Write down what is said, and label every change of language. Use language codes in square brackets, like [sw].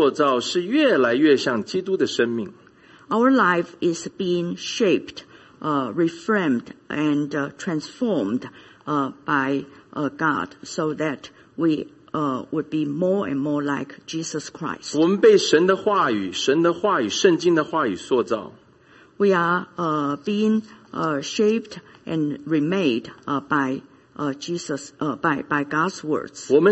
[zh] 我们的生命是被神塑造，是越来越像基督的生命。 [en] Our life is being shaped, reframed, and transformed by God so that we would be more and more like Jesus Christ. [zh] 我们被神的话语，圣经的话语塑造。 [en] We are being shaped and remade by Jesus, by God's words.